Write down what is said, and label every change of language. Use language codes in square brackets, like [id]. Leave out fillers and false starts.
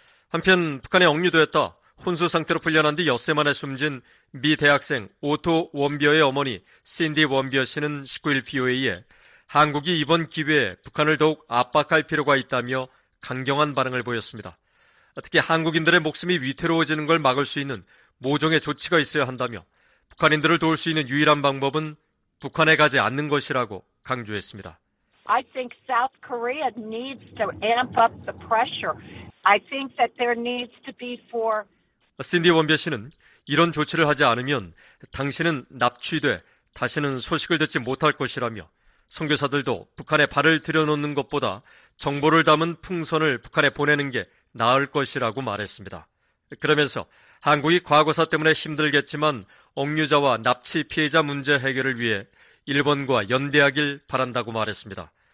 [ko] 한편 북한에 억류되었다 혼수 상태로 풀려난 뒤 엿새 만에 숨진 미 대학생 오토 원비어의 어머니 신디 원비어 씨는 19일 VOA에 한국이 이번 기회에 북한을 더욱 압박할 필요가 있다며 강경한 반응을 보였습니다. 특히 한국인들의 목숨이 위태로워지는 걸 막을 수 있는 모종의 조치가 있어야 한다며 북한인들을 도울 수 있는 유일한 방법은 북한에 가지 않는 것이라고 강조했습니다. [en] I think South Korea needs to amp up the pressure. I think that there needs to be for. [ko] 신디 원베 씨는 이런 조치를 하지 않으면 당신은 납치돼 다시는 소식을 듣지 못할 것이라며 선교사들도 북한에 발을 들여놓는 것보다 정보를 담은 풍선을 북한에 보내는 게 나을 것이라고 말했습니다. 그러면서 한국이 과거사 때문에 힘들겠지만 억류자와 납치 피해자 문제 해결을 위해 일본과 연대하길 바란다고 말했습니다.